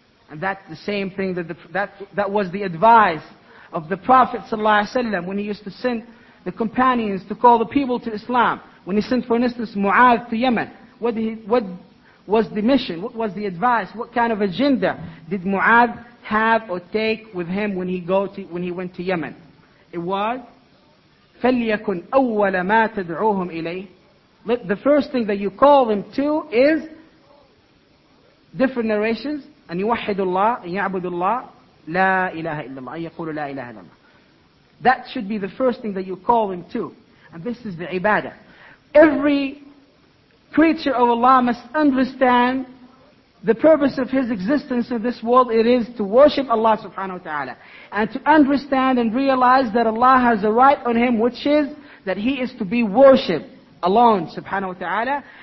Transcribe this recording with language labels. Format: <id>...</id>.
<en>And that's the same thing that that was the advice of the Prophet ﷺ when he used to send the companions to call the people to Islam. When he sent, for instance, Mu'adh to Yemen, what was the mission? What was the advice? What kind of agenda did Mu'adh have or take with him when he went to Yemen? It was,</en> <ar>فَلْيَكُنْ أَوَّلَ مَا تَدْعُوهُمْ إِلَيْهِ.</ar> <en>The first thing that you call them to is different narrations,</en> <ar>أَنْ يُوَحِّدُ اللَّهِ أَنْ يَعْبُدُ اللَّهِ لَا إِلَهَ إِلَّا اللَّهِ أَنْ يَقُولُ لَا إِلَهَ إِلَّا اللَّهِ.</ar> <en>That should be the first thing that you call them to. And this is the ibadah. Every creature of Allah must understand the purpose of his existence in this world. It is to worship Allah subhanahu wa ta'ala. And to understand and realize that Allah has a right on him, which is that he is to be worshipped alone subhanahu wa ta'ala.</en>